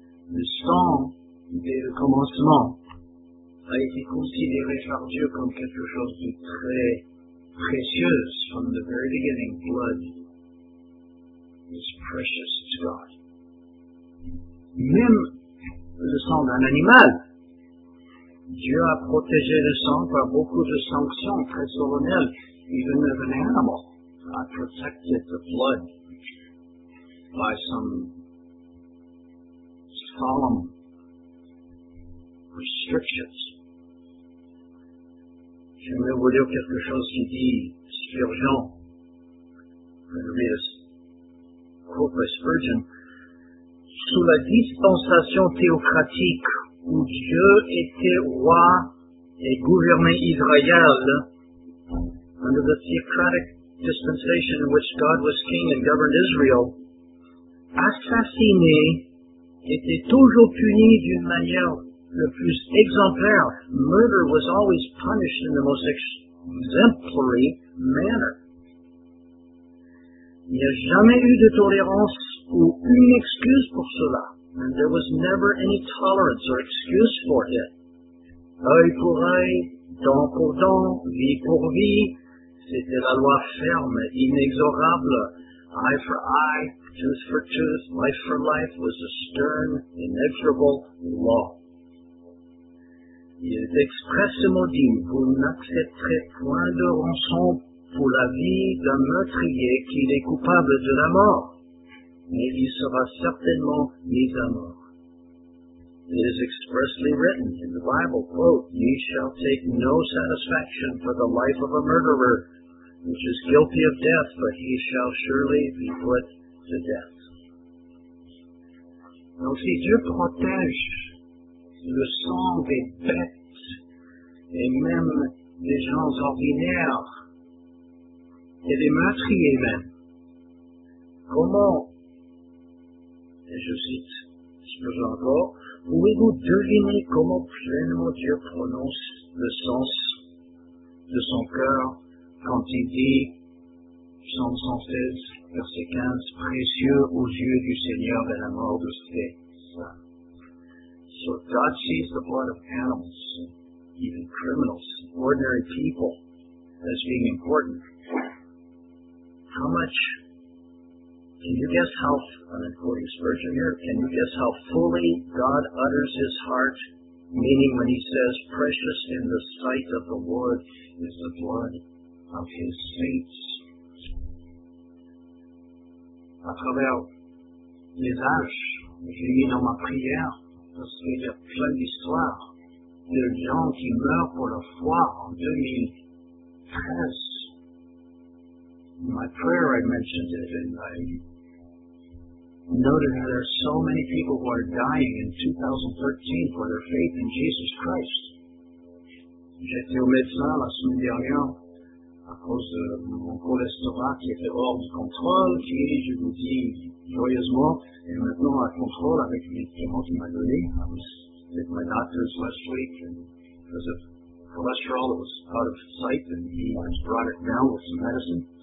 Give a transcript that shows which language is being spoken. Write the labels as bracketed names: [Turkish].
[French] Le sang, dès le commencement, a été considéré par Dieu comme quelque chose de très précieux, [English] from the very beginning, blood. Is precious to God. [French] Même le sang d'un animal. Dieu a protégé le sang par beaucoup de sanctions très solennelles. [English] Even of an animal. God protected the blood by some solemn restrictions. [French] Je voulais vous dire quelque chose qui dit Spurgeon. Spurgeon, sous la dispensation théocratique où Dieu était roi et gouvernait Israël, [English] under the theocratic dispensation in which God was king and governed Israel, [French] assassiner était toujours puni d'une manière le plus exemplaire. [English] Murder was always punished in the most exemplary manner. [French] Il n'y a jamais eu de tolérance ou une excuse pour cela. [English] And there was never any tolerance or excuse for it. [French] Œil pour œil, dent pour dent, vie pour vie, c'était la loi ferme, inexorable. [English] Eye for eye, tooth for tooth, life for life was a stern, inexorable law. [French] Il est expressément dit, vous n'accepterez point de rançon pour la vie d'un meurtrier qui est coupable de la mort, mais il sera certainement mis à mort. [English] It is expressly written in the Bible, quote, ye shall take no satisfaction for the life of a murderer, which is guilty of death, but he shall surely be put to death. [French] Donc si Dieu protège le sang des bêtes et même des gens ordinaires, et des meurtriers même. Comment, et je cite, si besoin encore, pouvez-vous deviner comment pleinement Dieu prononce le sens de son cœur quand il dit, psaume 116, verset 15, précieux aux yeux du Seigneur de la mort de ses saints. [English] So God sees the blood of animals, even criminals, ordinary people, as being important. How much? Can you guess how, I'm quoting Spurgeon here, can you guess how fully God utters his heart, meaning when he says, precious in the sight of the Lord is the blood of his saints? [French] À travers les âges, je l'ai mis dans ma prière, parce qu'il y a plein d'histoires de gens qui meurent pour la foi en 2013. [English] In my prayer, I mentioned it in my noted that there are so many people who are dying in 2013 for their faith in Jesus Christ. [French] J'étais au médecin la semaine dernière à cause de mon cholestérol qui était hors de contrôle, qui, je vous dis joyeusement, est maintenant à contrôle avec les médicaments qu'il m'a donné. [English] I was with my doctors last week and because of cholesterol that was out of sight and he has brought it down with some medicine.